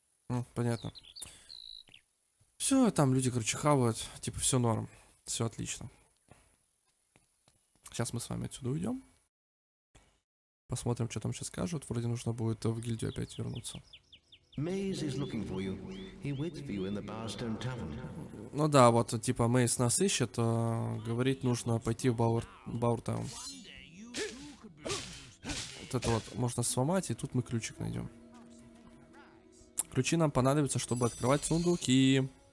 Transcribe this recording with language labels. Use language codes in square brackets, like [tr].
[ru] Ну, понятно. Все, там люди, короче, хавают. Типа все норм. Все отлично. Сейчас мы с вами отсюда уйдем. Посмотрим, что там сейчас скажут. Вроде нужно будет в гильдию опять вернуться. [en] Мейз is looking for you. He waits for you in the Barstone Tavern. [ru] Ну да, вот типа Мейз нас ищет, а говорить нужно пойти в Бауэртаун. Вот это вот можно сломать, и тут мы ключик найдем. Ключи нам понадобятся, чтобы открывать сундук и...